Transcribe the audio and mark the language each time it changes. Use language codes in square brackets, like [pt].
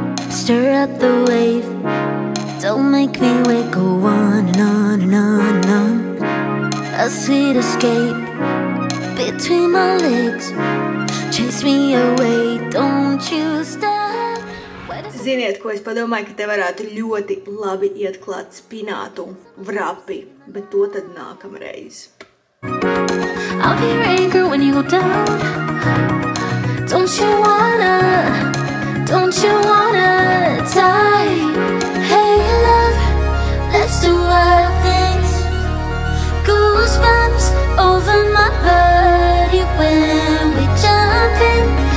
[en] Stir up the wave, don't make me wake, go on and on and on and on. A sweet escape between my legs, chase me away, don't you stop. [lv] Ziniet, ko es padomāju, ka te varētu ļoti labi ietklāt spinātu vrapi, bet to tad nākamreiz. [en] I'll be your anchor when you go down, don't you wanna. Don't you wanna die? Hey love, let's do our things. Goosebumps over my body when we jump in.